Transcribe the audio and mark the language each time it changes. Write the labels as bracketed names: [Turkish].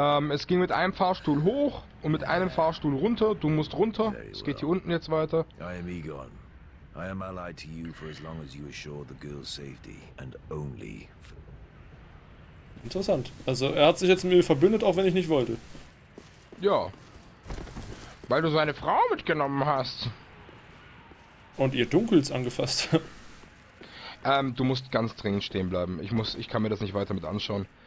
[German] Es ging mit einem Fahrstuhl hoch und mit einem Fahrstuhl runter. Du musst runter. Es geht hier unten jetzt weiter. [English] I am Egon. I am ally to you for as long as you assure the girl's safety and only. [German] Interessant. Also er hat sich jetzt mit mir verbündet, auch wenn ich nicht wollte. Ja. Weil du seine Frau mitgenommen hast. Und ihr Dunkels angefasst. Du musst ganz dringend stehen bleiben. Ich kann mir das nicht weiter mit anschauen.